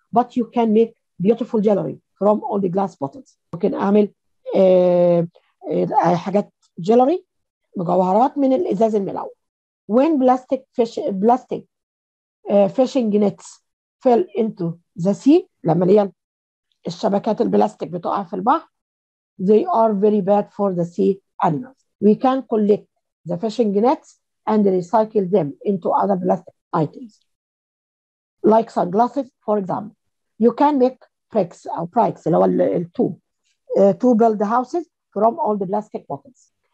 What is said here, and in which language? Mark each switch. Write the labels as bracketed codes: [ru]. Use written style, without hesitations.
[en] But you can make beautiful jewelry from all the glass bottles. [ar] ممكن أعمل حاجات jewelry, مجوهرات من الإزاز الملون. [en] When plastic fishing nets fell into the sea, [ar] لما ليا الشبكات البلاستيك بتقع في البحر. [en] They are very bad for the sea animals. We can collect the fishing nets and recycle them into other plastic items. Like sunglasses, for example. You can make pricks or pricks, [ar] اللي هو التوب. [en] To build houses from all the plastic bottles.